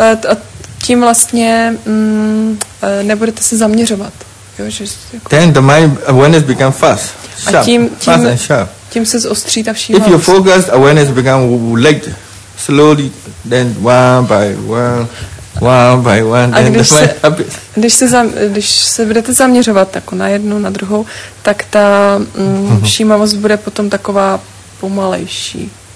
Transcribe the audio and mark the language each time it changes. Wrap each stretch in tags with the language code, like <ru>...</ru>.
<cs>A tím vlastně nebudete se zaměřovat.</cs> <en>Then the mind awareness becomes fast, sharp, fast and sharp.</en> <cs>Tím se zostří ta všímavost.</cs> <en>If you focus, awareness becomes light, slowly, then one by one, one by one, then the mind happens.</en> <cs>Když se budete zaměřovat jako na jednu, na druhou, tak ta všímavost bude potom taková pomalejší.</cs>